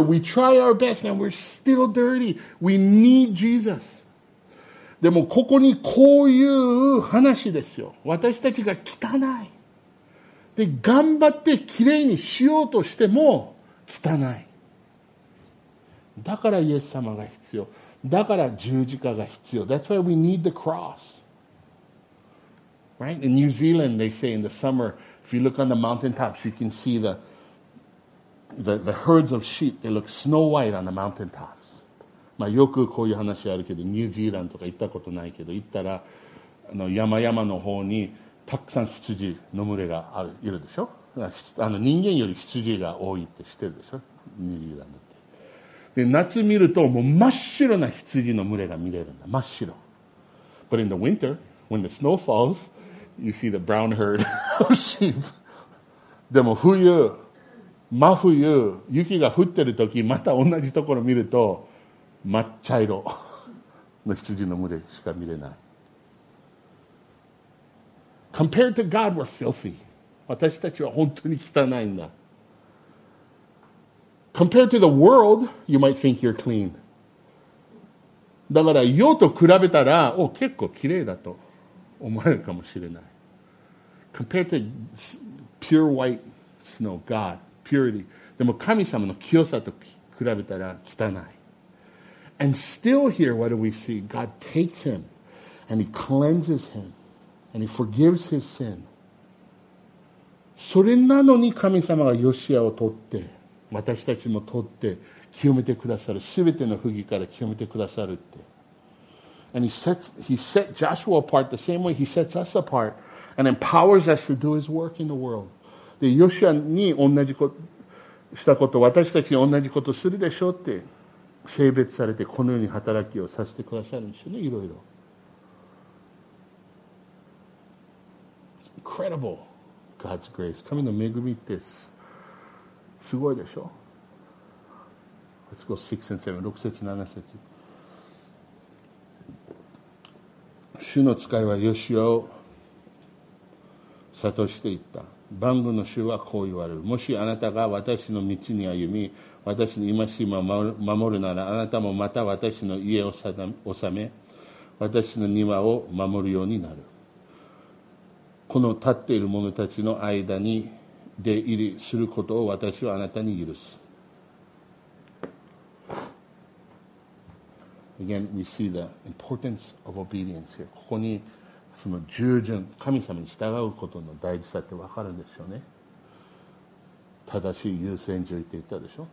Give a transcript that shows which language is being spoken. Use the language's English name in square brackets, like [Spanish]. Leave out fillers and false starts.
[English] We try our best and we're still dirty. We need Jesus. [Japanese] でもここにこういう話ですよ。私たちが汚い。で、頑張ってきれいにしようとしても汚い。だからイエス様が必要。だから十字架が必要。 [English] That's why we need the cross. Right? In New Zealand, they say in the summer, if you look on the mountaintops, you can see the herds of sheep, they look snow white on the mountaintops. [Japanese] まあよくこういう話あるけど、ニュージーランドとか行ったことないけど、行ったらあの山々の方にたくさん羊の群れがあるいるでしょ。あの人間より羊が多いって知ってるでしょ、ニュージーランドって。で夏見るともう真っ白な羊の群れが見れるんだ、真っ白。 [English] But in the winter, when the snow falls, you see the brown herd of sheep. [Japanese] でも冬真冬雪が降ってる時また同じところ見ると真っ茶色の羊の群れしか見れない。 [English] Compared to God, we're filthy. [Japanese] 私たちは本当に汚いんだ。 [English] Compared to the world, you might think you're clean. [Japanese] だから世と比べたら、お、結構綺麗だと思われるかもしれない。 [English] Compared to pure white snow, God, purity. [Japanese] でも神様の清さと比べたら汚い。 [English] And still here, what do we see? God takes him and he cleanses him and he forgives his sin. [Japanese] それなのに神様がヨシアを取って、私たちも取って、清めてくださる。すべての不義から清めてくださるって。 [English] And he set Joshua apart the same way he sets us apart and empowers us to do his work in the world. [Japanese] で、ヨシアに同じことしたこと、私たちに同じことするでしょうって、性別されてこのように働きをさせてくださるんですよね、いろいろ。 [English] It's incredible, God's grace. [Japanese] 神の恵みってすごいでしょ。 [English] Let's go 6 and 7. [Japanese] 6節、7節。主の使いはヨシアを諭していった。万軍の主はこう言われる。もしあなたが私の道に歩み、私の戒めを守るなら、あなたもまた私の家を治め、私の庭を守るようになる。この立っている者たちの間に出入りすることを私はあなたに許す。 [English] Again, we see the importance of obedience here. [Japanese] ここにその従順、神様に従うことの大事さって分かるんですよね。正しい優先順位って言ったでしょ。